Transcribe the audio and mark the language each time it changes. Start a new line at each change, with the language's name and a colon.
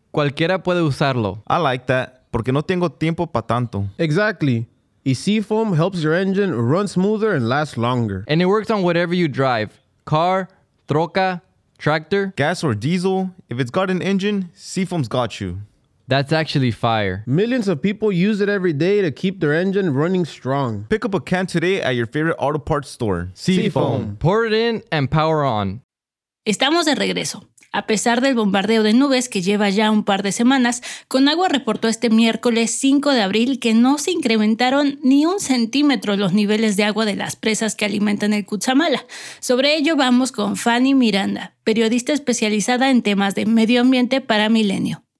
Spanish: Cualquiera puede usarlo.
English: I like that.
Spanish: Porque no tengo tiempo pa tanto.
English: Exactly. Y Seafoam helps your engine run smoother and last longer. And it works on whatever you drive. Car, troca, tractor. Gas or diesel. If it's got an engine, Seafoam's got you. That's actually fire. Millions of people use it every day to keep their engine running strong. Pick up a can today at your favorite auto parts store. Seafoam. Pour it in and power on.
Spanish: Estamos de regreso. A pesar del bombardeo de nubes que lleva ya un par de semanas, Conagua reportó este miércoles 5 de abril que no se incrementaron ni un centímetro los niveles de agua de las presas que alimentan el Cutzamala. Sobre ello vamos con Fanny Miranda, periodista especializada en temas de medio ambiente para Milenio.